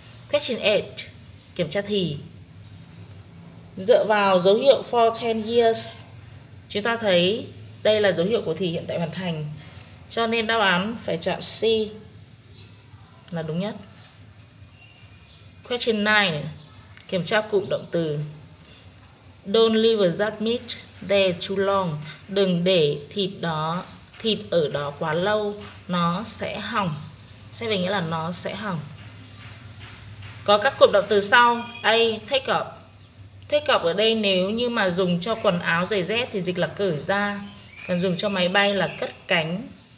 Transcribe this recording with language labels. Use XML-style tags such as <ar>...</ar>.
<en>Question 8,</en> <vi>kiểm tra thì. Dựa vào dấu hiệu for 10 years, chúng ta thấy đây là dấu hiệu của thì hiện tại hoàn thành. Cho nên đáp án phải chọn C là đúng nhất.</vi> <en>Question 9,</en> <vi>kiểm tra cụm động từ.</vi> <en>Don't leave that meat there too long.</en> <vi>Đừng để thịt ở đó quá lâu, nó sẽ hỏng. Sẽ về nghĩa là nó sẽ hỏng. Có các cụm động từ sau. A, take up. Take up ở đây nếu như mà dùng cho quần áo giày dép thì dịch là cởi ra, còn dùng cho máy bay là cất cánh.</vi>